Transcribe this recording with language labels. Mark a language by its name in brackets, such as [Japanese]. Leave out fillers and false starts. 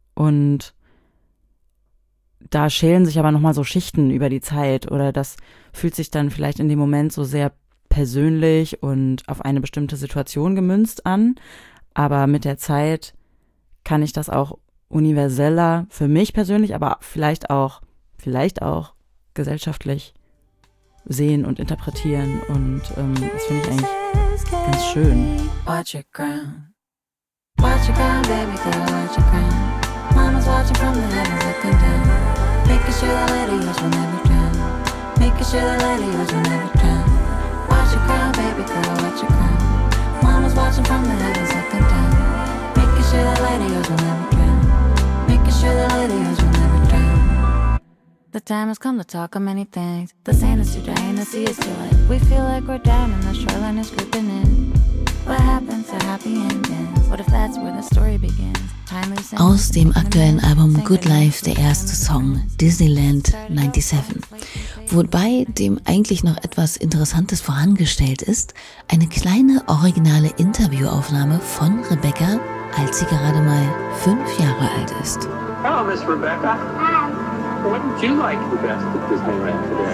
[German] Und da schälen sich aber nochmal so Schichten über die Zeit, oder das fühlt sich dann vielleicht in dem Moment so sehr persönlich und auf eine bestimmte Situation gemünzt an. Aber mit der Zeit kann ich das auch universeller für mich persönlich, aber vielleicht auch gesellschaftlich sehen und interpretieren. Und das finde ich eigentlich ganz schön. [English] Watch your ground. Watch your ground, baby, girl, watch your ground. Mama's watching from the heavens looking down. Making sure the lady is will never drown. Making sure the lady is will never drown. Watch your crown, baby girl, watch your crown. Mama's watching from the heavens looking down. Making sure the lady is will never drown. Making sure the lady is will never drown. The time has come to talk of many things. The sand is too dry and the sea is too light. We feel like we're down and the shoreline is creeping in. What happens to happy endings? What if that's where the story begins? [German] Aus dem aktuellen Album Good Life der erste Song, Disneyland 97. Wobei dem eigentlich noch etwas Interessantes vorangestellt ist, eine kleine originale Interviewaufnahme von Rebecca, als sie gerade mal 5 Jahre alt ist. [English] Hello, Miss Rebecca. Hi. What did you like the best at Disneyland today?